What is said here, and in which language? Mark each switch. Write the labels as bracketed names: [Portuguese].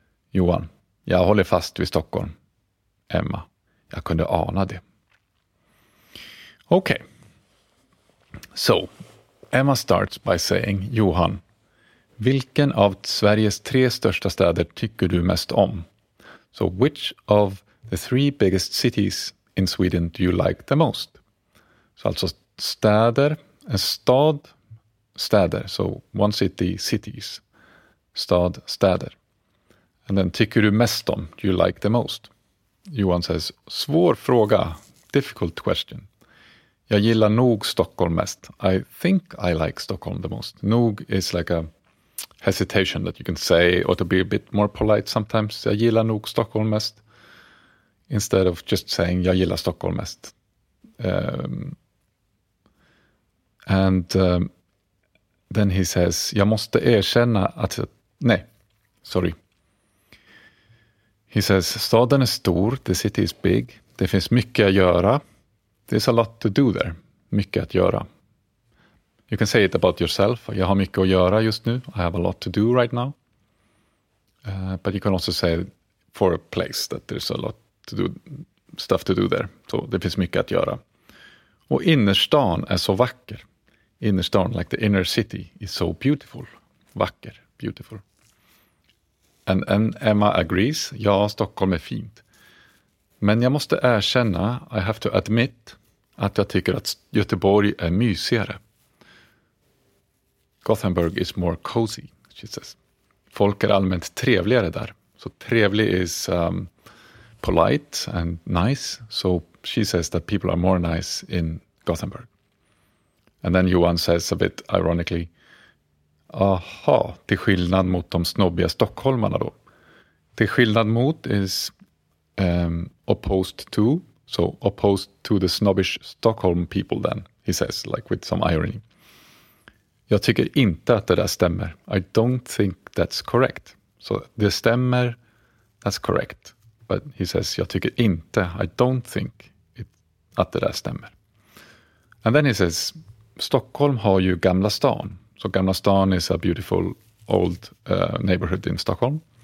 [Swedish] Johan, jag håller fast vid Stockholm. Emma, jag kunde ana det. Okej. Okay. [English] So, Emma starts by saying, [Swedish] Johan, vilken av Sveriges tre största städer tycker du mest om? [English] So, which of the three biggest cities in Sweden do you like the most? [Swedish] So, alltså städer, en stad... Städer, [English] so one city, cities. Stad, städer. And then, [Swedish] tycker du mest om, [English] do you like the most? Johan says, [Swedish] svår fråga, [English] difficult question. [Swedish] Jag gillar nog Stockholm mest. [English] I think I like Stockholm the most. [Swedish] Nog [English] is like a hesitation that you can say, or to be a bit more polite sometimes. [Swedish] Jag gillar nog Stockholm mest. [English] Instead of just saying, [Swedish] jag gillar Stockholm mest. [English] Then he says, [Swedish] jag måste erkänna att... Nej, sorry. [English] He says, [Swedish] staden är stor, [English] the city is big. [Swedish] Det finns mycket att göra. [English] There's a lot to do there. [Swedish] Mycket att göra. [English] You can say it about yourself. [Swedish] Jag har mycket att göra just nu. [English] I have a lot to do right now. But you can also say for a place that there's a lot to do, stuff to do there. [Swedish] So det finns mycket att göra. Och innerstan är så vacker. [English] Innerstan, like the inner city, is so beautiful. Vacker, beautiful. And Emma agrees. [Swedish] Ja, Stockholm är fint. Men jag måste erkänna, [English] I have to admit, [Swedish] att jag tycker att Göteborg är mysigare. [English] Gothenburg is more cozy, she says. [Swedish] Folk är allmänt trevligare där. [English] So trevlig is polite and nice. So she says that people are more nice in Gothenburg. And then Johan says a bit ironically, [Swedish] Aha, till skillnad mot de snobbiga stockholmarna då. Till skillnad mot [English] is opposed to. So opposed to the snobbish Stockholm people then, he says, like with some irony. [Swedish] Jag tycker inte att det där stämmer. [English] I don't think that's correct. So [Swedish] det stämmer, [English] that's correct. But he says, [Swedish] jag tycker inte, [English] I don't think it, [Swedish] att det där stämmer. [English] And then he says, [Swedish] Stockholm har ju Gamla stan. [English] So Gamla stan is a beautiful old neighborhood in Stockholm.